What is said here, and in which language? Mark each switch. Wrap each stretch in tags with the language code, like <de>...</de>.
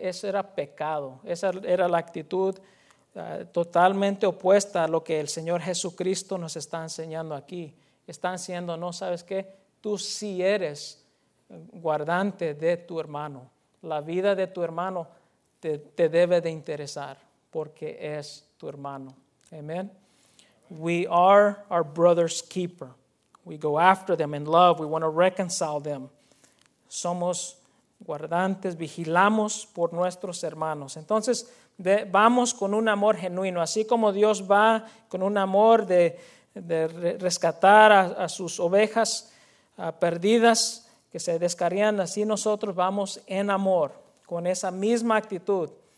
<es>Eso era pecado. Esa era la actitud totalmente opuesta a lo que el Señor Jesucristo nos está enseñando aquí. Está enseñando, no, ¿sabes qué? Tú sí eres guardante de tu hermano. La vida de tu hermano te debe de interesar, porque es tu hermano.</es> <en>Amen. We are our brother's keeper. We go after them in love. We want to reconcile them.</en> <es>Somos guardantes, vigilamos por nuestros hermanos. Entonces, vamos con un amor genuino. Así como Dios va con un amor de rescatar a sus ovejas perdidas que se descarrían, así nosotros vamos en amor, con esa misma actitud.</es>